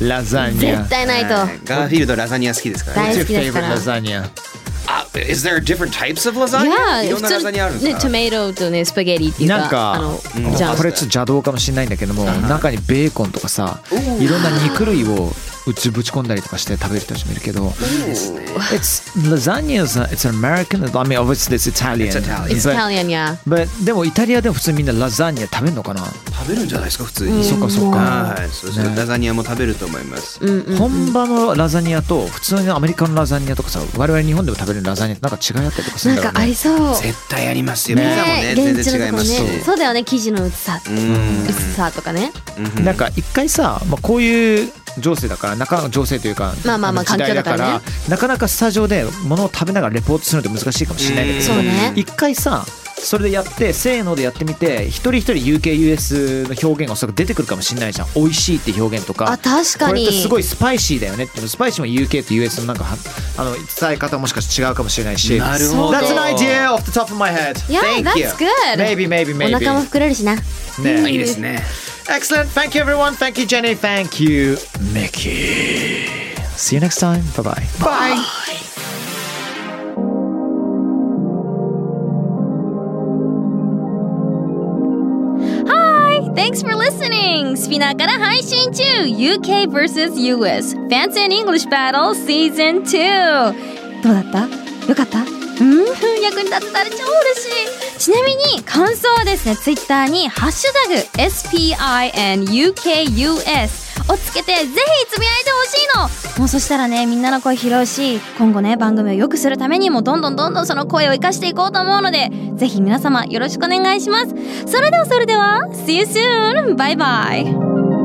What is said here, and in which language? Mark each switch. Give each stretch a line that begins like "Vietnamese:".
Japanese: ラザニア。絶対ないと。はい、ガーフィールドラザニア好きですから、ね。大好きですから。ラザニア。
English: Is there different types of lasagna? Yeah,
Japanese: いろんなラザニアあるんですか。ね、トマトとねスパゲティっていうか。なんかじゃあこれちょっと邪道かもしれないんだけども、中にベーコンとかさ、いろんな肉類を。ぶち込んだりとかして食べる人もいるけど、
English: It's lasagna is it's an American. I mean, obviously it's Italian. It's Italian, yeah.
Japanese: But でもイタリアでも普通みんなラザニア食べるのかな？食べるんじゃないですか普通に。そうかそうか。はい、ラザニアも食べると思います。本場のラザニアと普通のアメリカのラザニアとかさ、我々日本でも食べるラザニアってなんか違いあったりとかするんだろうね。なんかありそう。絶対ありますよ。ピザもね、全然違いますし。そうだよね、生地の薄さとかね。なんか一回さ、まあこういう情勢だからなかなか情勢というか、まあまあまあ、時代だから、ね、なかなかスタジオで物を食べながらレポートするのって難しいかもしれないけど、ね、一回さそれでやってせーのでやってみて一人一人 UKUS の表現がおそらく出てくるかもしれないじゃん。美味しいって表現とか、あ確かにこれってすごいスパイシーだよねって。スパイシーも UK と US のなんかあの伝え方もしかして違うかもしれないし。なるほど。
English: That's an idea off the top of my head. Yeah, Thank that's you. good. Maybe, maybe, maybe.
Japanese: お腹も膨れるしな、ね、いいですね。
English: Excellent. Thank you, everyone. Thank you, Jenny. Thank you, Mickey. See you next time. Bye-bye. Bye. Hi. Thanks for listening. Spina から配信中 UK vs. US Fancy and English Battle Season 2.
Japanese: どうだった?よかった? 役に立てたら超嬉しい。ちなみに感想はですね、ツイッターにハッシュタグ SPINUKUS をつけてぜひつぶやいてほしいの。もうそしたらね、みんなの声拾うし、今後ね番組を良くするためにもどんどんどんどんその声を生かしていこうと思うので、ぜひ皆様よろしくお願いします。それではそれでは
English: See you soon. Bye bye.